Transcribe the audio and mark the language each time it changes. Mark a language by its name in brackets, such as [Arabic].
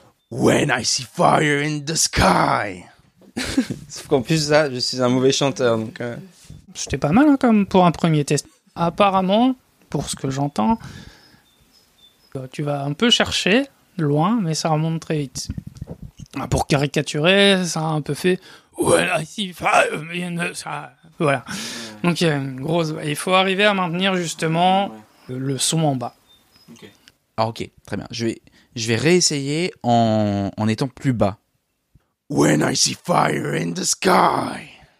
[English] When I see fire in the sky. [French] Sauf qu'en plus ça, je suis un mauvais chanteur. Donc, C'était pas mal hein, comme pour un premier test. Apparemment, pour ce que j'entends, tu vas un peu chercher loin, mais ça remonte très vite. Pour caricaturer, ça a un peu fait [English] When I see fire in the sky. [French] Voilà. Donc il y a une grosse. Il faut arriver à maintenir justement le son en bas. Ok. Ah, ok, très bien. Je vais réessayer en étant plus bas. [English] When I see fire in the sky.